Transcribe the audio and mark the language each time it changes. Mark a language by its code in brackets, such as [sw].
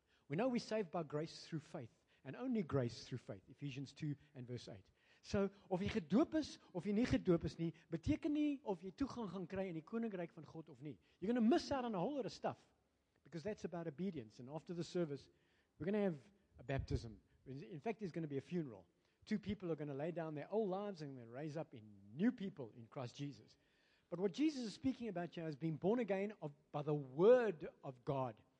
[en] We know we're saved by grace through faith and only grace through faith. Ephesians 2 and verse 8. [af] So, of jy gedoop is of jy nie gedoop is nie, beteken nie of jy toegang gaan kry in die koninkryk van God of nie. [en] You're going to miss out on a whole lot of stuff. Because that's about obedience. And after the service, we're going to have a baptism. In fact, there's going to be a funeral. Two people are going to lay down their old lives and they're raise up in new people in Christ Jesus. But what Jesus is speaking about here is being born again by the Word of God.